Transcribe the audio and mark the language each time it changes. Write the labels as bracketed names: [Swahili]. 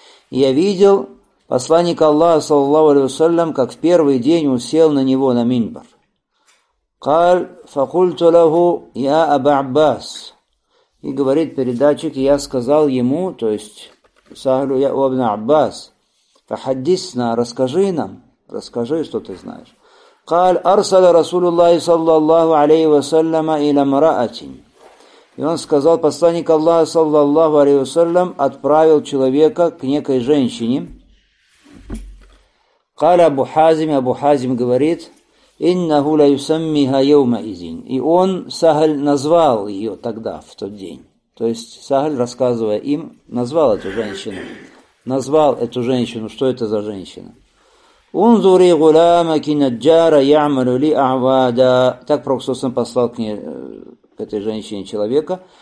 [Russian] И я видел посланника Аллаха, саллаллаху алейхи ва саллям, как в первый день он сел на него, на минбар. [Arabic] Кал факульту лаху я Абу Аббас. [Russian] И говорит передатчик, я сказал ему, то есть Сахру, я Абу Аббас, фахаддисна, расскажи нам, расскажи, что ты знаешь. [Arabic] قال أرسل رسول الله صلى الله عليه وسلم إلى امرأة. [Russian] И он сказал, посланник Аллаха صلى الله عليه وسلم отправил человека к некой женщине. [Arabic] قال أبو حازم, أبو حازم [Russian] говорит, [Arabic] إنه لا يسميها يومئذ. [Russian] И он Сахль назвал ее тогда, в тот день. То есть Сахль, рассказывая им, назвал эту женщину. Назвал эту женщину, что это за женщина. [Arabic] «Унзури гуламаки наджара ямалю ли авада». [Russian] Так Проксусом послал к ней, к этой женщине человека.